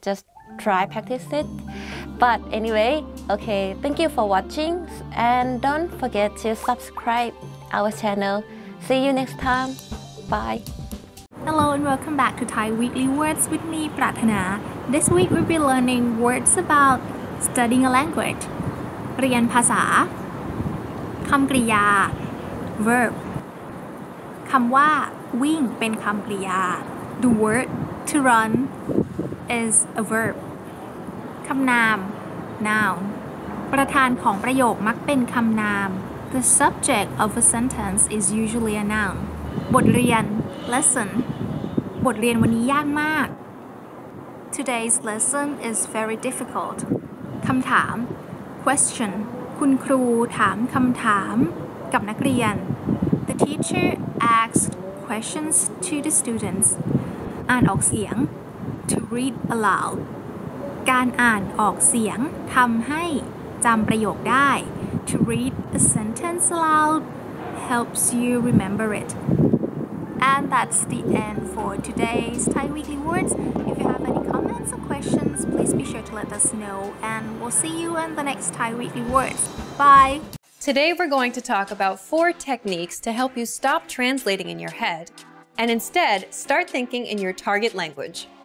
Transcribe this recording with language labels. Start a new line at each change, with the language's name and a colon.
English: Just try practice it. But anyway, okay, thank you for watching. And don't forget to subscribe our channel. See you next time. Bye. Hello and welcome back to Thai Weekly Words with me, Prathana. This week we'll be learning words about studying a language.
Thai: เรียนภาษา คำกริยา
English: verb.
Thai: คำว่าวิ่งเป็นคำกริยา
English: The word to run is a verb.
Thai: คำนาม
English: noun.
Thai: ประธานของประโยคมักเป็นคำนาม
English: The subject of a sentence is usually a noun.
Thai: บทเรียน
English: lesson.
Thai: บทเรียนวันนี้ยากมาก
English: Today's lesson is very difficult.
Thai: คำถาม
English: Question
Thai: คุณครูถามคำถามกับนักเรียน
English: The teacher asked questions to the students.
Thai: อ่านออกเสียง
English: To read aloud.
Thai: การอ่านออกเสียงทำให้จำประโยคได้
English: To read a sentence aloud helps you remember it. And that's the end for today's Thai Weekly Words. If you have anyquestions, please be sure to let us know, and we'll see you in the next Thai Weekly Words. Bye! Today we're going to talk about four techniques to help you stop translating in your head, and instead start thinking in your target language.